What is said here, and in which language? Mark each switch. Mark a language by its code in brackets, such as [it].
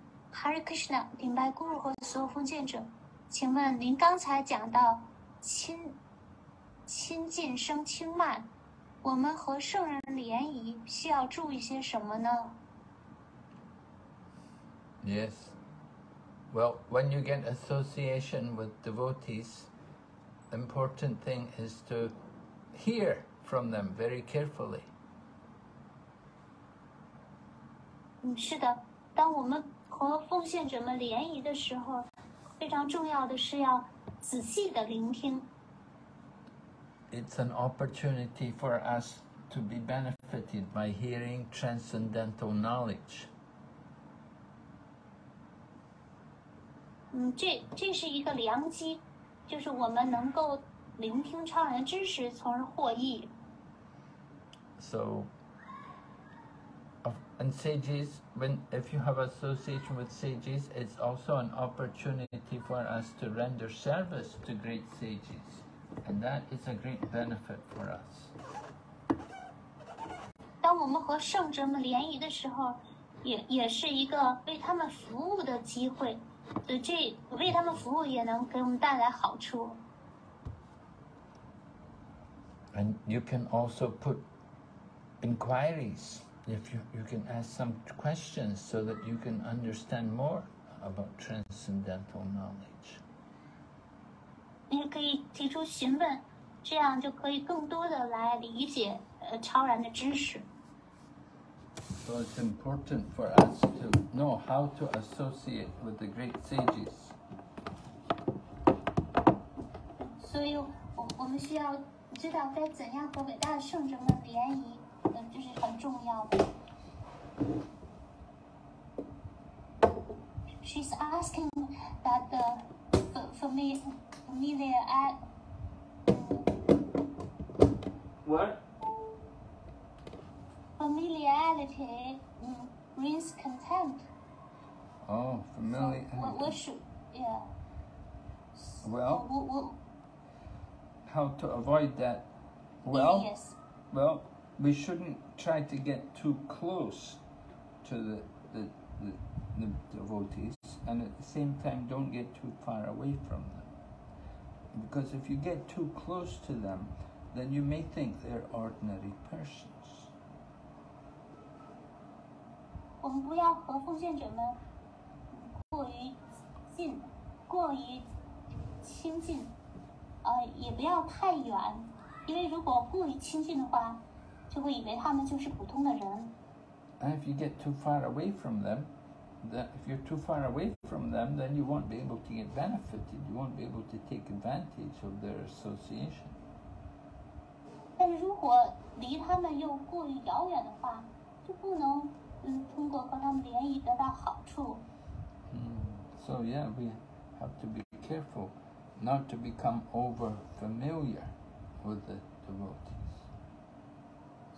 [zh] Hare Krishna, 顶拜Guru和所有奉献者, 请问您刚才讲到亲近生轻慢, 我们和圣人联谊需要注意些什么呢? [en] Yes. Well, when you get association with devotees, the important thing is to hear from them very carefully. [zh] 是的，当我们和奉献者们联谊的时候，非常重要的是要仔细地聆听。 [en] It's an opportunity for us to be benefited by hearing transcendental knowledge. [zh] 嗯，这是一个良机，就是我们能够聆听超然知识，从而获益。 [en] So, and sages, when if you have association with sages, it's also an opportunity for us to render service to great sages. And that is a great benefit for us. [zh] 当我们和圣者们联谊的时候，也是一个为他们服务的机会，所以这为他们服务也能给我们带来好处。 [en] And you can also put inquiries, if you can ask some questions so that you can understand more about transcendental knowledge. [zh] 你可以提出询问，这样就可以更多的来理解超然的知识。 [en] So it's important for us to know how to associate with the great sages. [zh] 所以我们需要知道该怎样和伟大的圣者们联谊，这是很重要的。 [en] She's asking that the familiar at what? Familiarity brings contempt. Oh, familiarity. So, yeah. Well, how to avoid that? Well, yes. Well, we shouldn't try to get too close to the devotees, and at the same time, don't get too far away from them. Because if you get too close to them, then you may think they're ordinary persons. [zh] 我们不要和奉献者们过于近，过于亲近，也不要太远，因为如果过于亲近的话，就会以为他们就是普通的人。 [en] And if you get too far away from them, that if you're too far away from them, then you won't be able to get benefited. You won't be able to take advantage of their association. [zh] 但如果离他们又过于遥远的话，就不能。 [en] So yeah, we have to be careful not to become over familiar with the devotees.